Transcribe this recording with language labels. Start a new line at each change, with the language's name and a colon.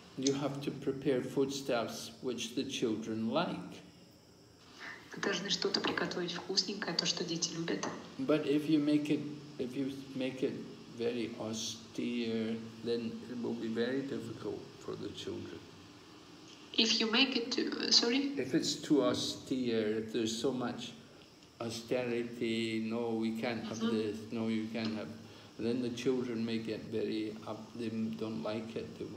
English: You have to prepare foodstuffs which the children like.
Russian: Вы должны что-то приготовить вкусненькое, то, что дети любят.
English: But if you make it very austere, then it will be very difficult for the children. If it's too austere, if there's so much austerity, no, we can't have this, no, you can't have, then the children may get very up, they don't like it.